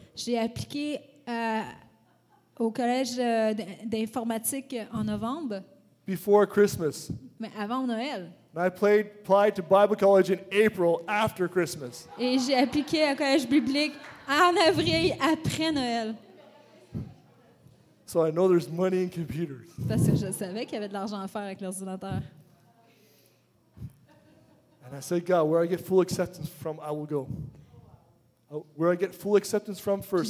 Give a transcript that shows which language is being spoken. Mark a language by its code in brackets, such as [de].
[fr] J'ai appliqué au collège d'informatique en novembre. [en] Before Christmas. [fr] Mais avant Noël. [en] And I applied to Bible college in April after Christmas. [fr] Et j'ai appliqué au collège biblique en avril après Noël. [en] So I know there's money in computers. [fr] Parce que je savais qu'il y avait de l'argent à faire avec l'ordinateur. [en] And I said, God, where I get full acceptance from, I will go. Where I get full acceptance from first,